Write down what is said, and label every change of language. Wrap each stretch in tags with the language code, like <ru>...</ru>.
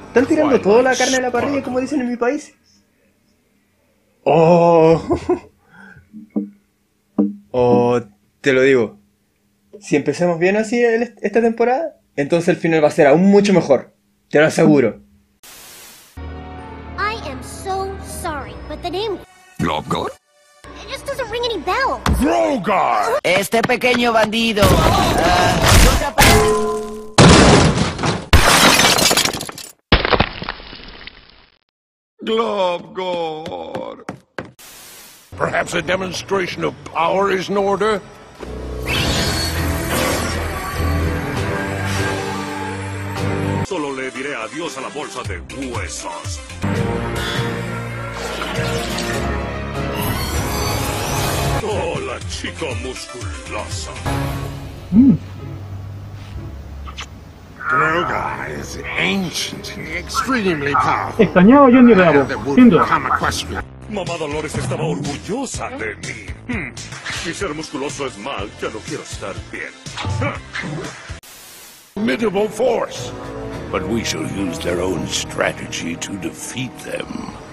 <es>Están tirando toda la carne a la parrilla, como dicen en mi país. Oh, te lo digo. Si empezamos bien así esta temporada, entonces el final va a ser aún mucho mejor. Te lo aseguro.</es> <en>I am so sorry, but the name Grogar? It just doesn't ring any bell. Grogar.</en> <es>Este pequeño bandido. Grogar.</es> <en>Perhaps a demonstration of power is in order.</en> <es>Solo le diré adiós a la bolsa de huesos. Hola, chica musculosa.</es> <en>Grogar is ancient and extremely powerful.</en> <es>Extrañaba yo ni verlo, sin duda. Mamá Dolores estaba orgullosa de mí. Si ser musculoso es mal, ya no quiero estar bien.</es> <en>Formidable force. But we shall use their own strategy to defeat them.</en>